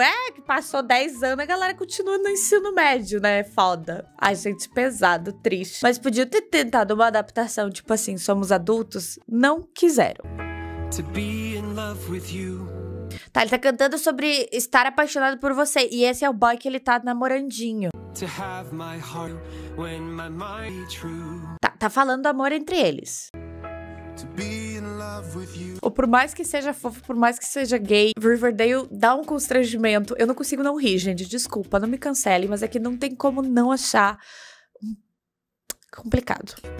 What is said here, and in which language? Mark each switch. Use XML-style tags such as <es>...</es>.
<pt>É, que passou 10 anos, a galera continua no ensino médio, né? Foda. Ai, gente, pesado, triste. Mas podia ter tentado uma adaptação, tipo assim, somos adultos? Não quiseram.</pt> <en>To be in love with you.</en> <pt>Tá, ele tá cantando sobre estar apaixonado por você. E esse é o boy que ele tá namorandinho.</pt> <en>To have my heart when my mind is true.</en> <pt>Tá falando amor entre eles.</pt> <en>To be in love with you.</en> <pt>Ou por mais que seja fofo, por mais que seja gay, Riverdale dá um constrangimento. Eu não consigo não rir, gente. Desculpa, não me cancele. Mas é que não tem como não achar complicado.</pt>